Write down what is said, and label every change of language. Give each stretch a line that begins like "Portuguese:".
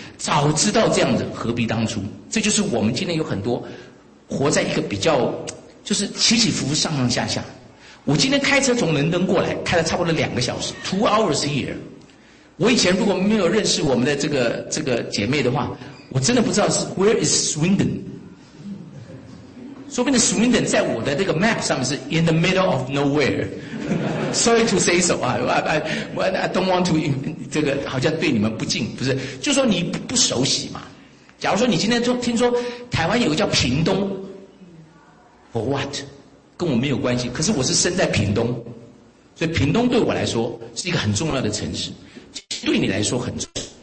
Chinese: 早知道这样子，何必当初？这就是我们今天有很多活在一个比较，就是起起伏伏，上上下下。我今天开车从伦敦过来，开了差不多2个小时 ，
English: 2 hours here。
Chinese: 我以前如果没有认识我们的这个姐妹的话，我真的不知道是
English: Where is Swindon。
Chinese: 说不定 Swindon 在我的这个 map 上面是
English: in the middle of nowhere. Sorry to say so, I don't want to,
Chinese: 这个好像对你们不敬，不是，就说你 不熟悉嘛。假如说你今天听说台湾有个叫屏东 ,
English: for what?
Chinese: 跟我没有关系，可是我是生在屏东，所以屏东对我来说是一个很重要的城市，对你来说很重要。